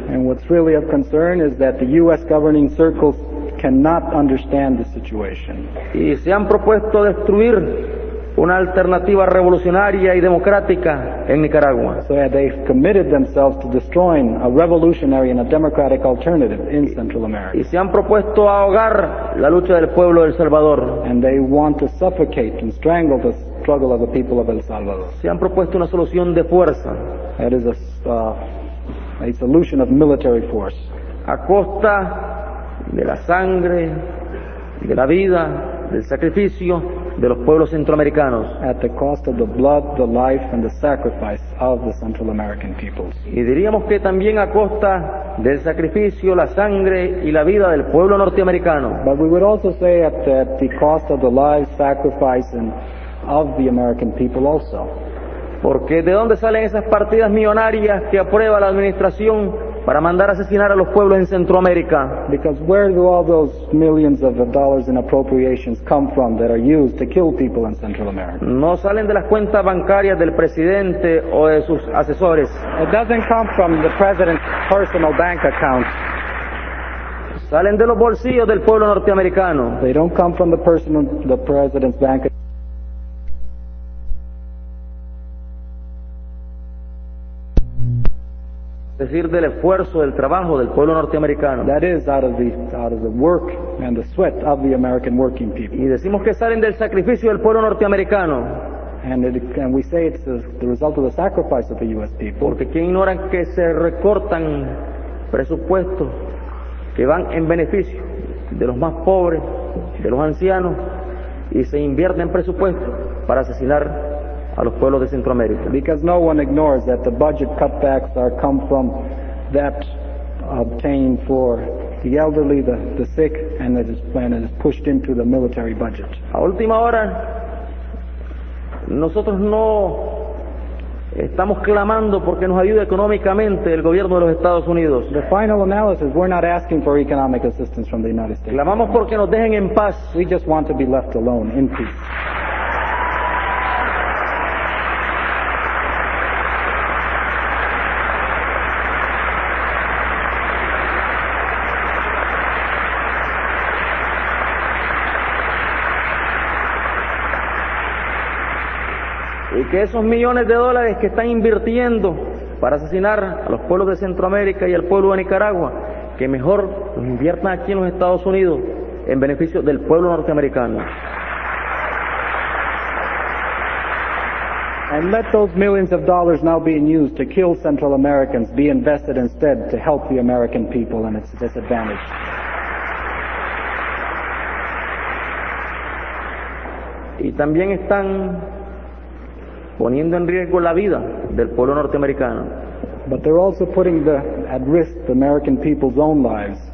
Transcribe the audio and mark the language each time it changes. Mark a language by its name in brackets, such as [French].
[English] And what's really of concern is that the U.S. governing circles cannot understand the situation. [Spanish] Y se han propuesto destruir una alternativa revolucionaria y democrática en Nicaragua. [English] So they've committed themselves to destroying a revolutionary and a democratic alternative in Central America. [Spanish] Y se han propuesto ahogar la lucha del pueblo de El Salvador. [English] And they want to suffocate and strangle the struggle of the people of El Salvador. [Spanish] Se han propuesto una solución de fuerza. [English] That is a solution of military force. [Spanish] A costa de la sangre, de la vida, del sacrificio de los pueblos centroamericanos. [English] At the cost of the blood, the life, and the sacrifice of the Central American peoples. [Spanish] Y diríamos que también a costa del sacrificio, la sangre y la vida del pueblo norteamericano. [English] But we would also say at the cost of the lives, sacrifice, and of the American people also. [Spanish] Porque ¿de dónde salen esas partidas millonarias que aprueba la administración para mandar asesinar a los pueblos en Centroamérica? [English] Because where do all those millions of dollars in appropriations come from that are used to kill people in Central America? [Spanish] No salen de las cuentas bancarias del presidente o de sus asesores. [English] It doesn't come from the president's personal bank account. [Spanish] Salen de los bolsillos del pueblo norteamericano. [English] They don't come from the personal, the president's bank account. [Spanish] Es decir, del esfuerzo, del trabajo del pueblo norteamericano. [English] That is out of the work and the sweat of the American working people. [Spanish] Y decimos que salen del sacrificio del pueblo norteamericano. [English] And we say it's the result of the sacrifice of the U.S. people. [Spanish] Porque quién ignora que se recortan presupuestos que van en beneficio de los más pobres, de los ancianos, y se invierten presupuestos para asesinar a los pueblos de Centroamérica. [English] Because no one ignores that the budget cutbacks are come from that obtained for the elderly, the sick, and that is planned and pushed into the military budget. [Spanish] A última hora, nosotros no estamos clamando porque nos ayude económicamente el gobierno de los Estados Unidos. [English] The final analysis, we're not asking for economic assistance from the United States. [Spanish] Clamamos porque nos dejen en paz. [English] We just want to be left alone in peace. [Spanish] Que esos millones de dólares que están invirtiendo para asesinar a los pueblos de Centroamérica y al pueblo de Nicaragua, que mejor los inviertan aquí en los Estados Unidos en beneficio del pueblo norteamericano. [English] And let those millions of dollars now being used to kill Central Americans be invested instead to help the American people and its disadvantaged. [Spanish] Y también están poniendo en riesgo la vida del pueblo norteamericano. [English] But they're also putting at risk the American people's own lives.